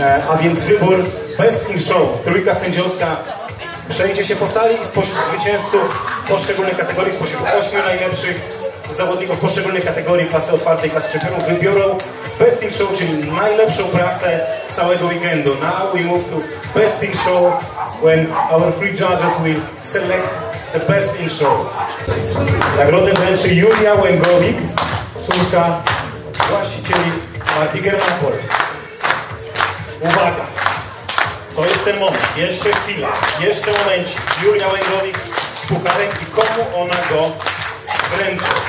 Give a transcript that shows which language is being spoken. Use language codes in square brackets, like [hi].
[pl] A więc wybór Best in Show. Trójka sędziowska przejdzie się po sali i spośród zwycięzców poszczególnych kategorii, spośród 8 najlepszych zawodników poszczególnych kategorii klasy otwartej, klasy czempionów, wybiorą Best in Show, czyli najlepszą pracę całego weekendu. [en] Now we move to Best in Show, when our three judges will select the Best in Show. [pl] Nagrodę wręczy Julia Łęgowik, córka właścicieli Gigermanpol. Uwaga! To jest ten moment. Jeszcze chwila. Jeszcze momencik. Julia Łęgowik z pucharem i komu ona go wręczy.